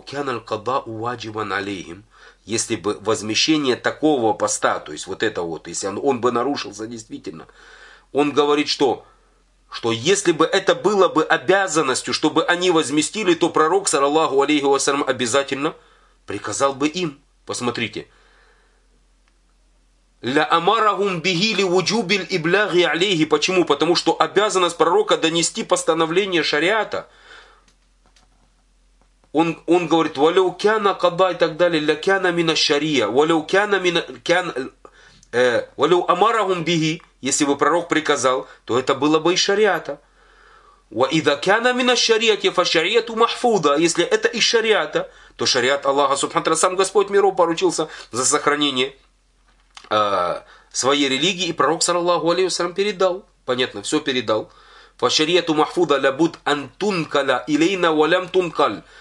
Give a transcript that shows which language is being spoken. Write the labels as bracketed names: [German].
[Russian] Говорит, если бы возмещение такого поста, то есть вот это вот, если он бы нарушился действительно, он говорит, что если бы это было бы обязанностью, чтобы они возместили, то пророк, саллаллаху алейхи вассалям, обязательно приказал бы им. Посмотрите. [Arabic] لأمرهم به لوجوب الإبلاغ عليه. [Russian] Почему? Потому что обязанность пророка донести постановление шариата. Он говорит, [Arabic] ولو كان قضاء [Russian] и так далее, [Arabic] لكان من الشريعة. ولو كان من كان ولو أمرهم به, [Russian] если бы пророк приказал, то это было бы и шариата. [Arabic] وإذا كان من الشريعة فالشريعة محفوظة. [Russian] Если это и шариата, то шариат Аллаха Субхану Тааля, сам Господь миров поручился за сохранение своей религии, и пророк, саллаллаху алейхи вассалям, передал. Понятно, все передал. [Arabic] Фашариату махфуда лябуд антункаля илейна валям тункаль.